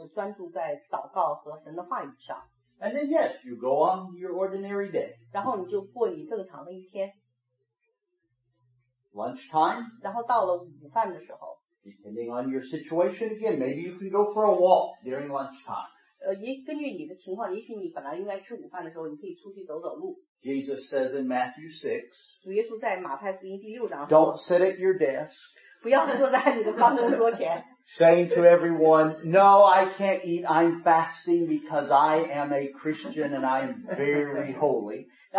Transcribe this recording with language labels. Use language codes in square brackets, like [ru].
[zh] 因为你不吃饭了,所以你可以花些时间来专注在祷告和神的话语上。 [en] And then yes, you go on your ordinary day. [zh] 然后你就过你正常的一天。 [en] Lunchtime? [zh] 然后到了午饭的时候。 [en] Depending on your situation again, maybe you can go for a walk during lunchtime. [zh] 根据你的情况,也许你本来应该吃午饭的时候,你可以出去走走路。 [en] Jesus says in Matthew 6, [zh] 主耶稣在马太福音第六章说, [en] don't sit at your desk, [zh] 不要坐在你的办公桌前, [en] saying to everyone, no, I can't eat, I'm fasting because I am a Christian and I'm very holy.